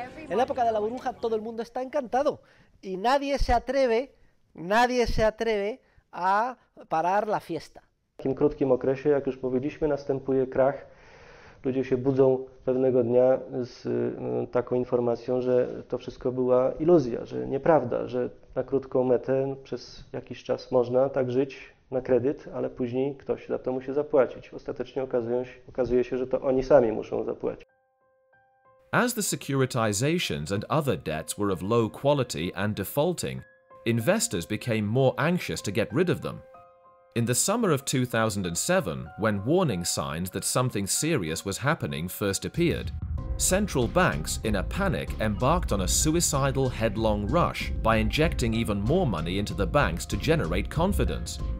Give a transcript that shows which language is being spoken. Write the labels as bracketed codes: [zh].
[es] En la época de la burbuja todo el mundo está encantado y nadie se atreve a parar la fiesta. [pl] W tym krótkim okresie, jak już powiedzieliśmy, następuje krach. Ludzie się budzą pewnego dnia z taką informacją, że to wszystko była iluzja, że nieprawda, że na krótką metę przez jakiś czas można tak żyć na kredyt, ale później ktoś za to musi zapłacić. Ostatecznie okazuje się, że to oni sami muszą zapłacić. [en] As the securitizations and other debts were of low quality and defaulting, investors became more anxious to get rid of them. In the summer of 2007, when warning signs that something serious was happening first appeared, central banks, in a panic, embarked on a suicidal headlong rush by injecting even more money into the banks to generate confidence.